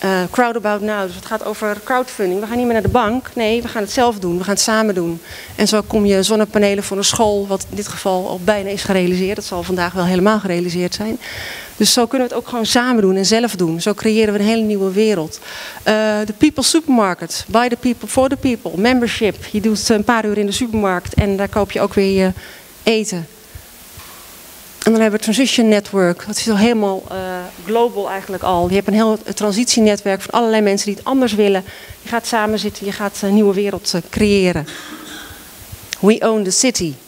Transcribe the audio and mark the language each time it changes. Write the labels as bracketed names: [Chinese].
[Dutch] Crowd about now, dus het gaat over crowdfunding. We gaan niet meer naar de bank, nee, we gaan het zelf doen, we gaan het samen doen. En zo kom je zonnepanelen voor een school, wat in dit geval al bijna is gerealiseerd. Dat zal vandaag wel helemaal gerealiseerd zijn. Dus zo kunnen we het ook gewoon samen doen en zelf doen. Zo creëren we een hele nieuwe wereld. De People Supermarket, [English] by the people, for the people, [Dutch] membership. Je doet een paar uur in de supermarkt en daar koop je ook weer je eten. En dan hebben we Transition Network. Dat is al helemaal global eigenlijk al. Je hebt een heel transitienetwerk van allerlei mensen die het anders willen. Je gaat samen zitten, je gaat een nieuwe wereld creëren. [English] We own the city.